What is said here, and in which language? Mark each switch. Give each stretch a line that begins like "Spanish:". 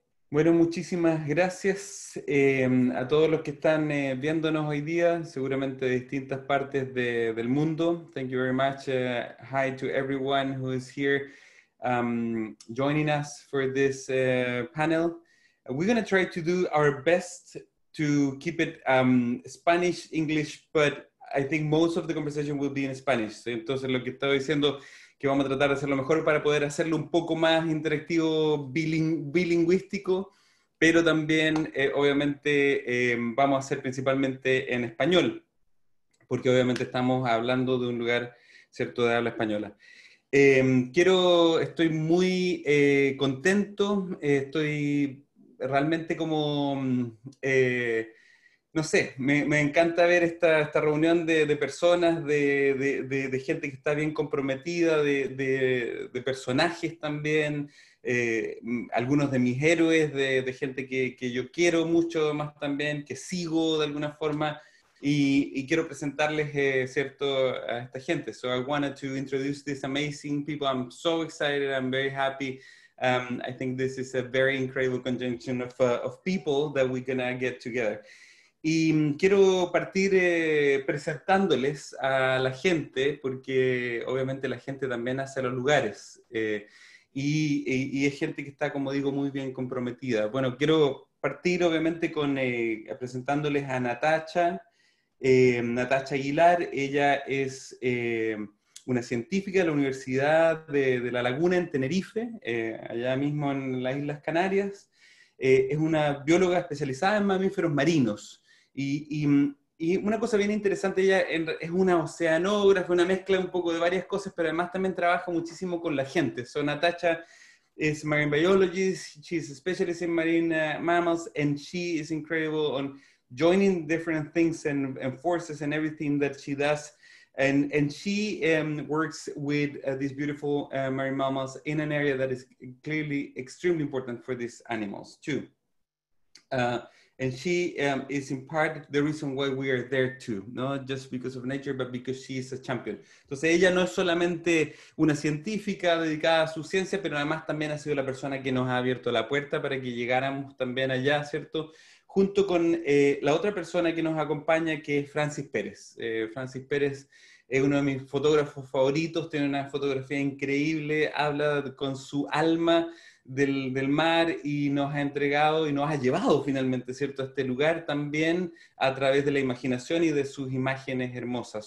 Spanish: Bueno, muchísimas gracias a todos los que están viéndonos hoy día, seguramente de distintas partes del mundo.
English: Thank you very much. Hi to everyone who is here joining us for this panel. We're going to try to do our best to keep it Spanish, English, but I think most of the conversation will be in Spanish.
Spanish: Entonces, lo que estaba diciendo, que vamos a tratar de hacer lo mejor para poder hacerlo un poco más interactivo, bilingüístico, pero también, obviamente, vamos a hacer principalmente en español, porque obviamente estamos hablando de un lugar, ¿cierto?, de habla española. Estoy muy contento, estoy... Realmente como, no sé, me encanta ver esta reunión de personas, de gente que está bien comprometida, de personajes también, algunos de mis héroes, de gente que yo quiero mucho más también, que sigo de alguna forma, y quiero presentarles, cierto, a esta gente.
English: So I wanted to introduce these amazing people. I'm so excited, I'm very happy. I think this is a very incredible conjunction of people that we're going to get together.
Spanish: Y quiero partir presentándoles a la gente, porque obviamente la gente también hace los lugares. Y es gente que está, como digo, muy bien comprometida. Bueno, quiero partir obviamente con presentándoles a Natacha. Natacha Aguilar, ella es... una científica de la Universidad de La Laguna en Tenerife, allá mismo en las Islas Canarias. Es una bióloga especializada en mamíferos marinos. Y una cosa bien interesante, ella es una oceanógrafa, una mezcla un poco de varias cosas, pero además también trabaja muchísimo con la gente.
English: So Natacha is a marine biologist, she's a specialist in marine mammals, and she is incredible on joining different things and forces and everything that she does. And she works with these beautiful marine mammals in an area that is clearly extremely important for these animals too. And she is in part the reason why we are there too, not just because of nature, but because she is a champion.
Spanish: Entonces ella no es solamente una científica dedicada a su ciencia, pero además también ha sido la persona que nos ha abierto la puerta para que llegáramos también allá, ¿cierto? Junto con la otra persona que nos acompaña, que es Francis Perez. Francis Perez es uno de mis fotógrafos favoritos, tiene una fotografía increíble, habla con su alma del mar y nos ha entregado y nos ha llevado finalmente, ¿cierto?, a este lugar también a través de la imaginación y de sus imágenes hermosas.